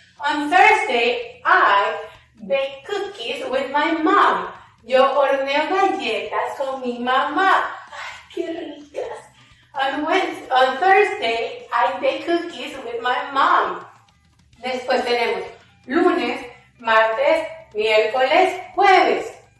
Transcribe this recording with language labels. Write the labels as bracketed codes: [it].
[en] On Thursday, I bake cookies with my mom. [es] Yo horneo galletas con mi mamá. ¡Ay, qué ricas! [en] On Thursday, I bake cookies with my mom. [es] Después tenemos lunes, martes, miércoles, jueves.